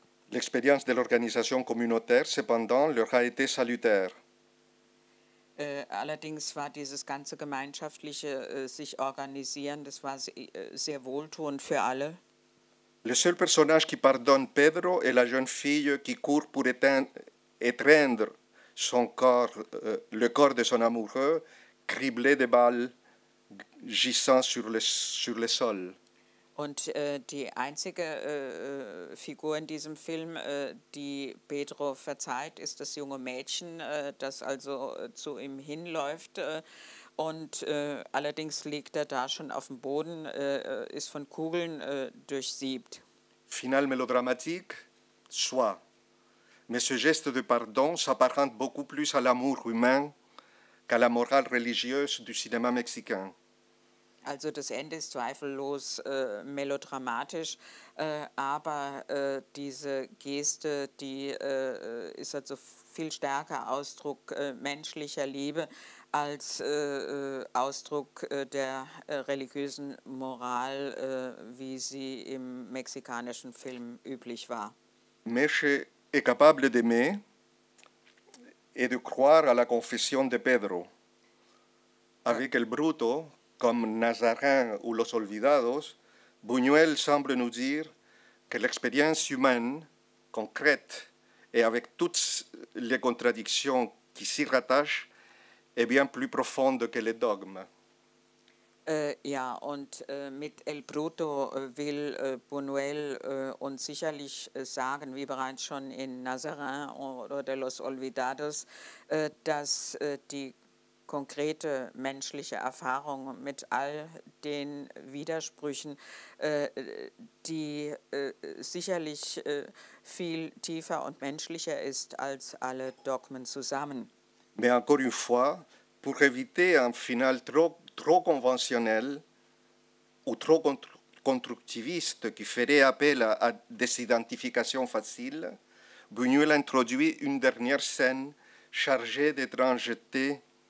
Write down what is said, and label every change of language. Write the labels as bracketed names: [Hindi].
[French] L'expérience de l'organisation communautaire cependant leur a été salutaire. [German] Allerdings war dieses ganze gemeinschaftliche sich organisieren, das war sehr wohltuend für alle. [French] Le seul personnage qui pardonne Pedro est la jeune fille qui court pour étreindre son corps, le corps de son amoureux, criblé de balles gisant sur le sol. [German] Und die einzige Figur in diesem Film, die Pedro verzeiht, ist das junge Mädchen, das also zu ihm hinläuft. Und allerdings liegt er da schon auf dem Boden, ist von Kugeln durchsiebt. [French] Final mélodramatique, soit. Mais ce geste de pardon s'apparente beaucoup plus à l'amour humain qu'à la morale religieuse du cinéma mexicain. [German] Also das Ende ist zweifellos melodramatisch, aber diese Geste, die ist also viel stärker Ausdruck menschlicher Liebe als Ausdruck der religiösen Moral, wie sie im mexikanischen Film üblich war. [French] Est capable d'aimer et de croire à la confession de Pedro. Avec El Bruto, comme Nazarin ou Los Olvidados, Buñuel semble nous dire que l'expérience humaine, concrète et avec toutes les contradictions qui s'y rattachent, est bien plus profonde que les dogmes. [German] Ja, und mit El Bruto will Buñuel uns sicherlich sagen, wie bereits schon in Nazarin oder Los Olvidados, dass die konkrete menschliche Erfahrung mit all den Widersprüchen, die sicherlich viel tiefer und menschlicher ist als alle Dogmen zusammen. [French] Mais encore une fois, pour éviter un final trop conventionnel ou trop constructiviste qui ferait appel à des identifications faciles, Buñuel introduit une dernière scène chargée d'étrangeté